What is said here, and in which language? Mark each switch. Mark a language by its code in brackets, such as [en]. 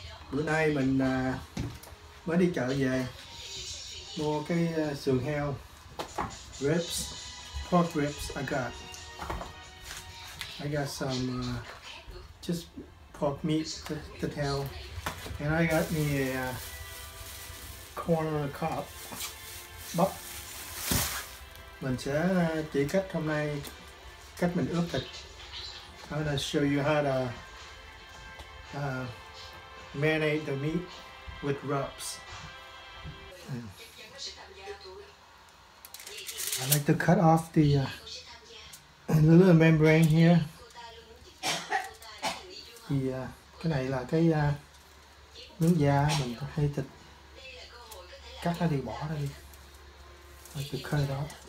[vi] Bữa nay mình mới đi chợ về mua cái sườn heo ribs, [en] pork ribs. I got some just pork meat, the heo, and I got me a corn on the cob, bắp. [vi] Mình sẽ chỉ cách hôm nay cách mình ướp thịt. [en] I'm gonna show you how to marinate the meat with rubs. I like to cut off the little membrane here. [vi] Thì cái này là cái miếng da mình có hay thịt cắt ra thì bỏ ra đi. [en] I like to cut it off.